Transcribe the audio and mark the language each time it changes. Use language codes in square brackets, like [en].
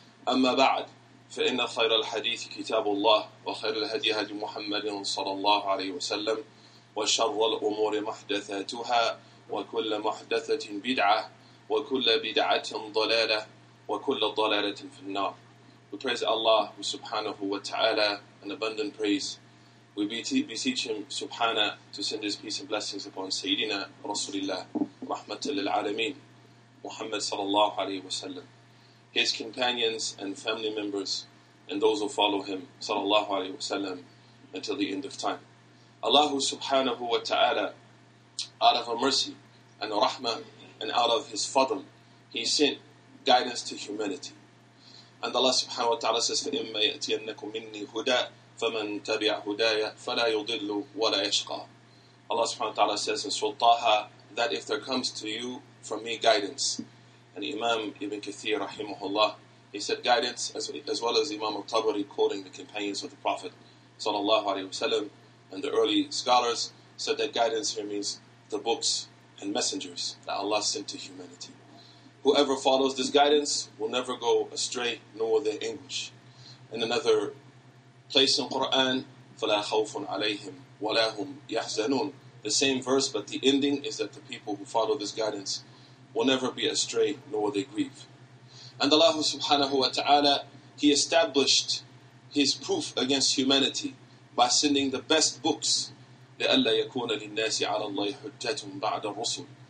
[ar] أما بعد، فإن خير الحديث كتاب الله وخير الهدي هدي محمد صلى الله عليه وسلم، وشر الأمور محدثاتها وكل محدثة بدعة وكل بدعة ضلالة وكل ضلالة في النار. [en] We praise Allah subhanahu wa ta'ala, an abundant praise. We beseech him subhana to send his peace and blessings upon Sayyidina Rasulillah rahmatul alameen Muhammad sallallahu alayhi wa sallam, his companions and family members, and those who follow him sallallahu alayhi wa sallam until the end of time. Allah subhanahu wa ta'ala, out of a mercy and a rahmah and out of his fadl, he sent guidance to humanity. And Allah subhanahu wa ta'ala says, [ar] فَإِمَّا يَأْتِيَنَّكُمْ مِنِّي هُدَىٰ فَمَنْ تَبِعْ هُدَايَ فَلَا يُضِلُّ وَلَا يَشْقَىٰ. [en] Allah subhanahu wa ta'ala says in Surah Taha that if there comes to you from me guidance, and Imam Ibn Kathir rahimahullah, he said guidance, as well as Imam al-Tabari quoting the companions of the Prophet sallallahu alayhi wa sallam, and the early scholars said that guidance here means the books and messengers that Allah sent to humanity. Whoever follows this guidance will never go astray, nor will they anguish. In another place in Quran, [ar] فَلَا خَوْفٌ عَلَيْهِمْ وَلَا هُمْ يَحْزَنُونَ. [en] The same verse, but the ending is that the people who follow this guidance will never be astray, nor will they grieve. And Allah subhanahu wa ta'ala, He established His proof against humanity by sending the best books. [ar] لَأَلَّا يَكُونَ لِلنَّاسِ عَلَى اللَّهِ حُجَّةٌ بَعْدَ الرُّسُلِ.